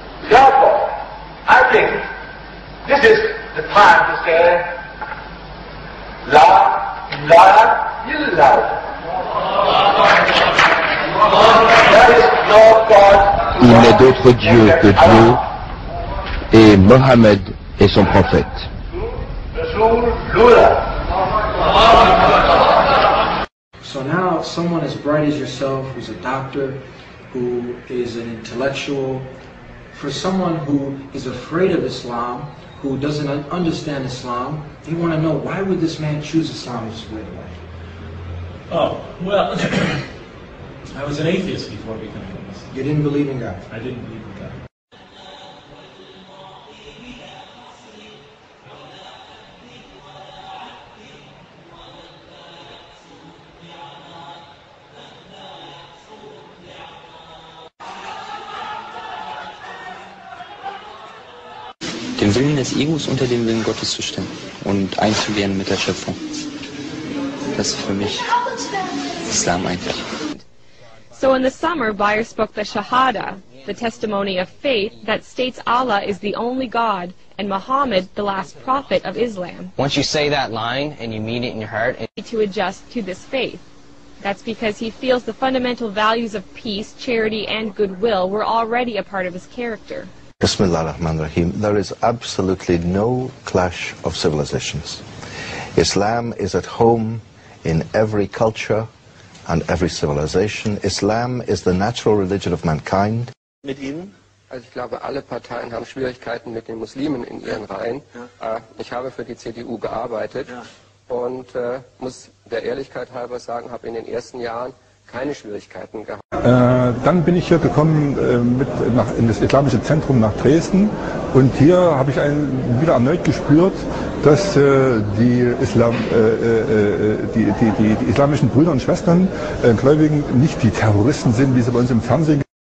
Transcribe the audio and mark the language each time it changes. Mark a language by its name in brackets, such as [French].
[English] Therefore, I think this is the time to say [Arabic] La ilaha illallah. [English] There is no God. [French] Il n'est d'autre Dieu que Dieu et Mohammed est son prophète. [English] So now, someone as bright as yourself, who's a doctor, who is an intellectual, for someone who is afraid of Islam, who doesn't understand Islam, they want to know, why would this man choose Islam as his way of life? Oh, well, I was an atheist before becoming a Muslim. You didn't believe in God? I didn't believe in God. [German] Dem Willen des Egos unter dem Willen Gottes zu stellen und eins zu werden mit der Schöpfung. Das ist für mich Islam eigentlich. [English] So in the summer, Byers spoke the Shahada, the testimony of faith that states Allah is the only God and Muhammad the last prophet of Islam. Once you say that line and you mean it in your heart, you need to adjust to this faith. That's because he feels the fundamental values of peace, charity, and goodwill were already a part of his character. [Arabic] Bismillah ar-Rahman ar-Rahim. [English] There is absolutely no clash of civilizations. Islam is at home in every culture and every civilization. Islam is the natural religion of mankind. [German] Mit Ihnen? Also ich glaube, alle Parteien haben Schwierigkeiten mit den Muslimen in ihren Reihen. Ja. Ich habe für die CDU gearbeitet, ja, und muss der Ehrlichkeit halber sagen, habe in den ersten Jahren keine Schwierigkeiten gehabt. Dann bin ich hier gekommen in das islamische Zentrum nach Dresden, und hier habe ich wieder erneut gespürt, dass die islamischen Brüder und Schwestern, Gläubigen, nicht die Terroristen sind, wie sie bei uns im Fernsehen.